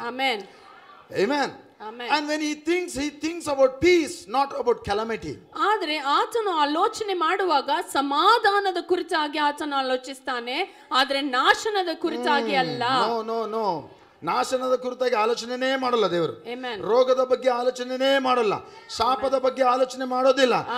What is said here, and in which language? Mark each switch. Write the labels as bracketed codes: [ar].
[kn] Amen. Amen. [en] Amen. And when he thinks about peace, not about calamity. [kn] ಆದರೆ ಆತನು ಆಲೋಚನೆ ಮಾಡುವಾಗ ಸಮಾಧಾನದ ಕುರಿತಾಗಿ ಆತನು ಆಲೋಚಿಸ್ತಾನೆ, ಆದರೆ ನಾಶನದ ಕುರಿತಾಗಿ ಅಲ್ಲ. ನೋ, ನಾಶನದ ಕುರಿತಾಗಿ ಆಲೋಚನೆ ಮಾಡಲ್ಲ ದೇವರು. ಆಮೆನ್. ರೋಗದ ಬಗ್ಗೆ ಆಲೋಚನೆ ಮಾಡಲ್ಲ, ಶಾಪದ ಬಗ್ಗೆ ಆಲೋಚನೆ ಮಾಡೋದಿಲ್ಲ.